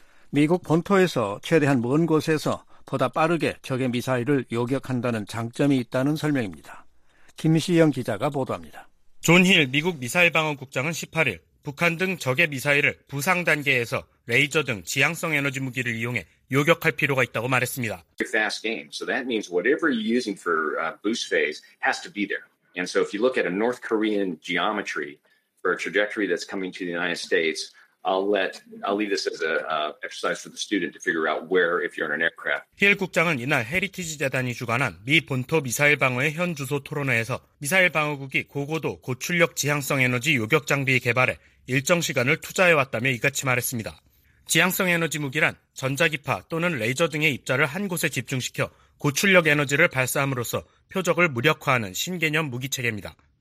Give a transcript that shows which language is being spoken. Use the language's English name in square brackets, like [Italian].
[Korean] 미국 본토에서 최대한 먼 곳에서 보다 빠르게 적의 미사일을 요격한다는 장점이 있다는 설명입니다. 김시영 기자가 보도합니다. 존 힐 미국 미사일 방어국장은 18일 북한 등 적의 미사일을 부상 단계에서 레이저 등 지향성 에너지 무기를 이용해 요격할 필요가 있다고 말했습니다. [English] Fast game. So that means whatever you're using for boost phase has to be there. And so if you look at a North Korean geometry for a trajectory that's coming to the United States, I'll leave this as a exercise for the student to figure out where if you're in an aircraft. [Korean] 힐 국장은 이날 헤리티지 재단이 주관한 미 본토 미사일 방어의 현 주소 토론회에서 미사일 방어국이 고고도 고출력 지향성 에너지 요격 장비 개발에 일정 시간을 투자해 왔다며 이같이 말했습니다. 지향성 에너지 무기란 전자기파 또는 레이저 등의 입자를 한 곳에 집중시켜 고출력 에너지를 발사함으로써 표적을 무력화하는 신개념 무기 체계입니다.